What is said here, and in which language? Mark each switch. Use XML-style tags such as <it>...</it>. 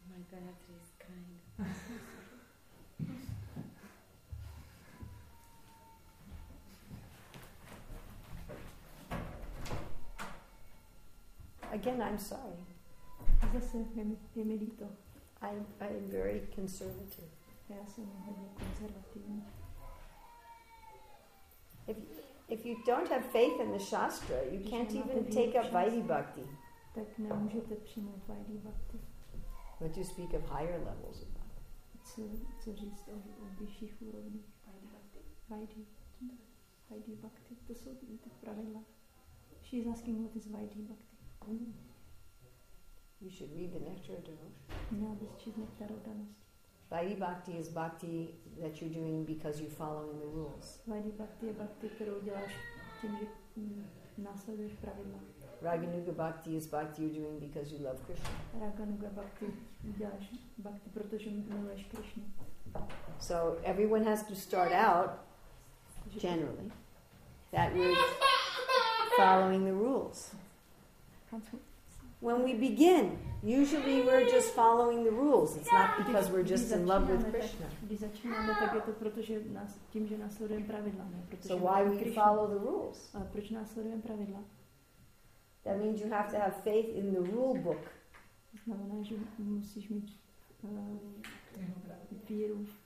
<en>Oh my God, that is kind. Again, I'm sorry.</en> <cs>Zase je mi líto.</cs> <en>I'm very conservative.</en> <cs>Já jsem hodně konzervativní.</cs> <en>If you don't have faith in the Shastra, you can't even take up Vaidhi Bhakti.</en> <cs>Tak nemůžete přijmout Vaidhi Bhakti.</cs> <en>But you speak of higher levels of Bhakti.</en> <cs>Co říct o vyšších úrovních? Vaidhi Bhakti. To jsou ty pravidla.</cs> <en>She is asking what is Vaidhi Bhakti. You should read the Nectar of Devotion.</en> <cs>Měla bys číst Nektar oddanosti.</cs> <en>Vaidhi Bhakti is Bhakti that you're doing because you're following the rules.</en> <cs>Vaidhi Bhakti je Bhakti, kterou děláš tím, že následuješ pravidla.</cs> <en>Raganuga Bhakti is Bhakti you're doing because you love Krishna.</en> <cs>Raganuga Bhakti děláš Bhakti, protože miluješ Krishna.</cs> <en>So everyone has to start out, generally, that we're following the rules. When we begin, usually we're just following the rules. It's not because we're just in love with Krishna.</en> <cs>Když začínáme, tak je to proto, že tím, že následujeme pravidla.</cs> <en>So why we follow the rules?</en> <cs>A proč následujeme pravidla?</cs> <en>That means you have to have faith in the rule book.</en> <cs>Znamená, že musíš mít víru</cs>